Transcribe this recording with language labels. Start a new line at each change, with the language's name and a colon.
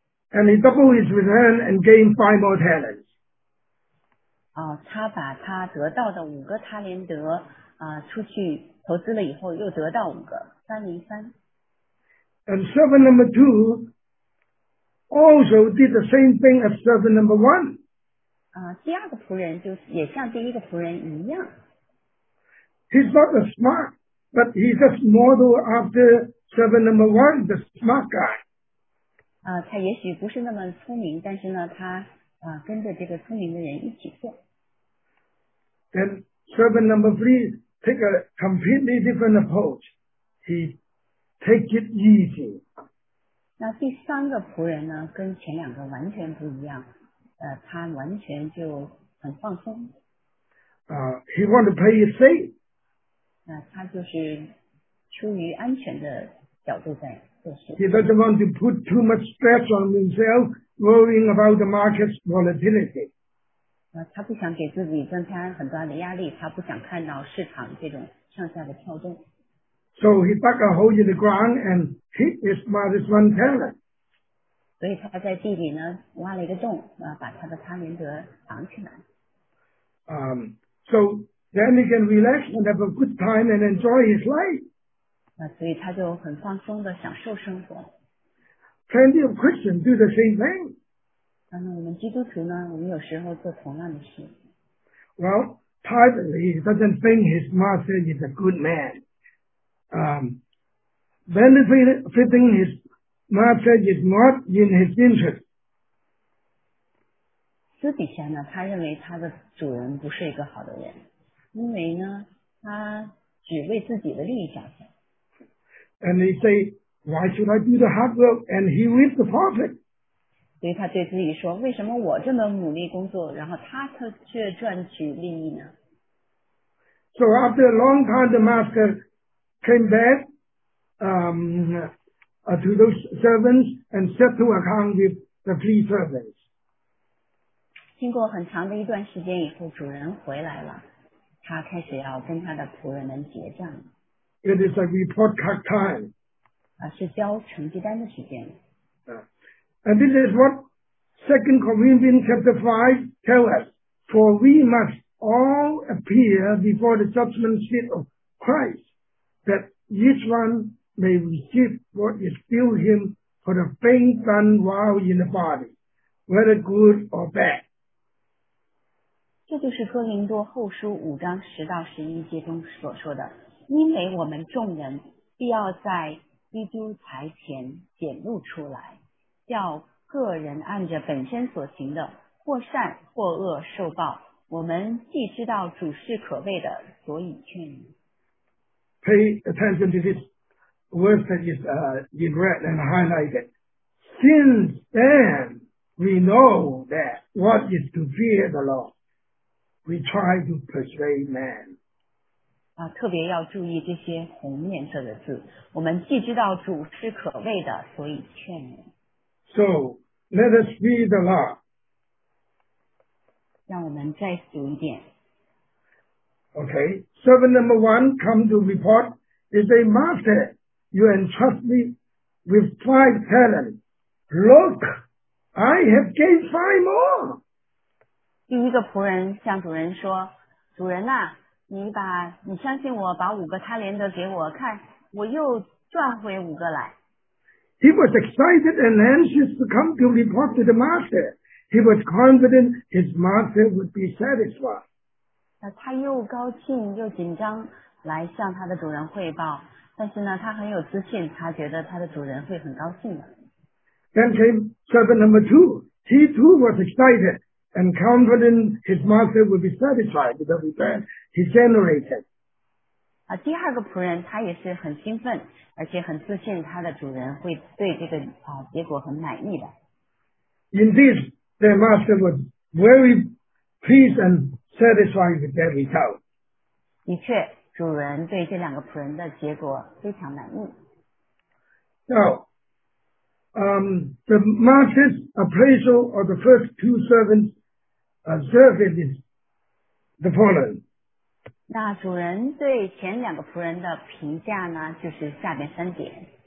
English: And he doubled his return and gained 5 more talents.
Chinese: 他把他得到的5个塔连德出去投资了以后又得到5个303。
English: And servant number 2 also did the same thing as servant number 1.
Chinese: 第二个仆人就也像第一个仆人一样。
English: He's not a smart, but he just modeled after servant number 1, the smart guy.
Chinese: 他也许不是那么聪明，但是呢，他跟着这个聪明的人一起做。
English: Then servant number 3 take a completely different approach. He take it easy.
Chinese: 那第三个仆人呢，跟前两个完全不一样。他完全就很放松。
English: He want to play it safe.
Chinese: 那他就是出于安全的角度在。
English: He doesn't want to put too much stress on himself worrying about the market's volatility.
Chinese: 他不想给自己增加很大的压力，他不想看到市场这种上下的跳动。
English: So he dug a hole in the ground and hit his smartest 1 talent.
Chinese: 所以他在地里呢挖了一个洞，把他的塔连德藏起来。
English: So then he can relax and have a good time and enjoy his life.
Chinese: 所以他就很放松的享受生活。
English: Plenty of Christians do the same thing.
Chinese: 那我们基督徒呢，我们有时候做同样的事。
English: Well, privately he doesn't think his master is a good man. Benefiting his master is not in his interest.
Chinese: 私底下呢，他认为他的主人不是一个好的人，因为呢，他只为自己的利益着想。
English: And he say, why should I do the hard work? And he reap the profit.
Chinese: 所以他对自己说，为什么我这么努力工作，然后他却赚取利益呢？
English: So after a long time, the master came back to those servants and set to account with the 3 servants.
Chinese: 经过很长的一段时间以后，主人回来了，他开始要跟他的仆人们结账。
English: It is a report card time.
Chinese: 是交成绩单的时间。
English: And this is what 2 Corinthians chapter 5 tells us. For we must all appear before the judgment seat of Christ, that each one may receive what is due him for the things done while in the body, whether good or bad.
Chinese: 这就是哥林多后书5章10到11节中所说的。因为我们众人必要在基督台前显露出来，叫个人按着本身所行的，或善或恶受报。我们既知道主是可畏的，所以劝你。
English: Pay attention to this verse that is in red and highlighted. Since then, we know that what is to fear the Lord, we try to persuade man.
Chinese: 特别要注意这些红颜色的字，我们既知道主是可畏的，所以劝人。
English: So, let us read the law.
Chinese: 让我们再读一遍。
English: Okay, servant number 1 come to report, they say, Master, you entrust me with 5 talents. Look, I have gained 5 more.
Chinese: 第一个仆人向主人说，主人啊，你相信我把5个塔连德给我，看我又赚回5个来。
English: He was excited and anxious to come to report to the master. He was confident his master would be satisfied.
Chinese: 他又高兴又紧张来向他的主人汇报，但是呢，他很有自信，他觉得他的主人会很高兴的。
English: Then came servant number 2. He too was excited. And confident his master would be satisfied with the return he generated.
Chinese: 第二个仆人他也是很兴奋，而且很自信，他的主人会对这个结果很满意的。
English: Indeed, their master was very pleased and satisfied with their result.
Chinese: 的确，主人对这两个仆人的结果非常满意。
English: Now,the master's appraisal of the first 2 servants. A servant is the following.
Chinese: 那主人对前两个仆人的评价呢，就是下面三点。